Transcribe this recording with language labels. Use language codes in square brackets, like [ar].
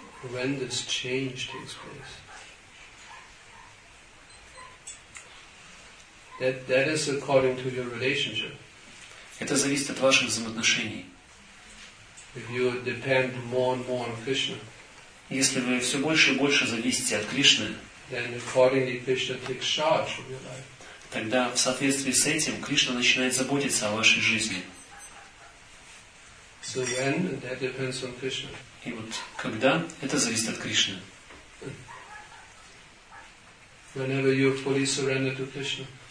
[en] when this change takes place, that is according to your relationship. [ru] Это зависит от ваших взаимоотношений. [en] If you depend more and more on Krishna. [ru] Если вы все больше и больше зависите от Кришны, [en] then accordingly Krishna takes charge of your life. [ru] Тогда в соответствии с этим Кришна начинает заботиться о вашей жизни. [en] So when, that depends on Krishna. [ru] И вот когда, это зависит от Кришны. [en] Whenever you fully surrender to Krishna.